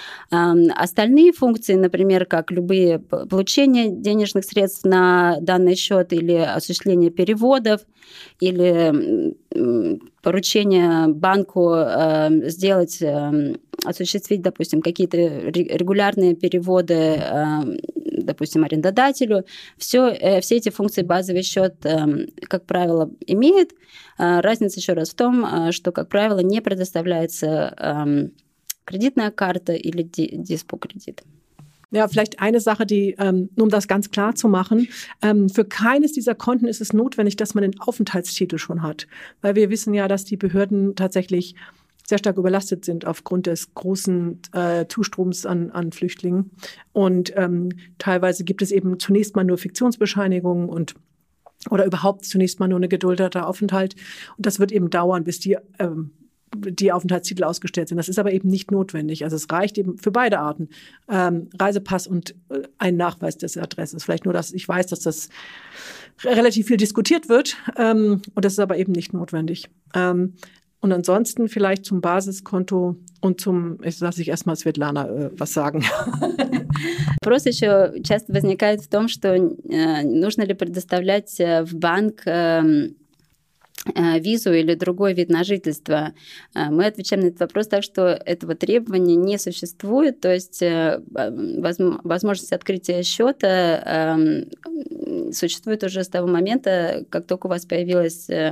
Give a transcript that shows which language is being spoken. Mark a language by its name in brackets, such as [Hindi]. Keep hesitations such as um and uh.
[Russian] Остальные функции, например, как любые получения денежных средств на данный счет или осуществление переводов или поручение банку сделать, осуществить, допустим, какие-то регулярные переводы, допустим, арендодателю. Все, все эти функции базовый счет, как правило, имеет. Разница еще раз в том, что, как правило, не предоставляется кредитная карта или диспо-кредит. [German] Ja, vielleicht eine Sache, die, ähm, um das ganz klar zu machen, ähm, für keines dieser Konten ist es notwendig, dass man den Aufenthaltstitel schon hat, weil wir wissen ja, dass die Behörden tatsächlich sehr stark überlastet sind aufgrund des großen äh, Zustroms an, an Flüchtlingen. Und ähm, teilweise gibt es eben zunächst mal nur Fiktionsbescheinigungen und oder überhaupt zunächst mal nur eine geduldeter Aufenthalt. Und das wird eben dauern, bis die ähm, die Aufenthaltstitel ausgestellt sind. Das ist aber eben nicht notwendig. Also es reicht eben für beide Arten. Ähm, Reisepass und ein Nachweis des Adresses. Vielleicht nur, dass ich weiß, dass das relativ viel diskutiert wird. Ähm, und das ist aber eben nicht notwendig. Ähm, und ansonsten vielleicht zum Basiskonto und zum, ich lasse ich erstmal Svetlana äh, was sagen. [Russian] Вопрос еще часто возникает в том, что э, нужно ли предоставлять э, в банк э, визу или другой вид на жительство. Мы отвечаем на этот вопрос так, что этого требования не существует, то есть возможность открытия счета существует уже с того момента, как только у вас появилось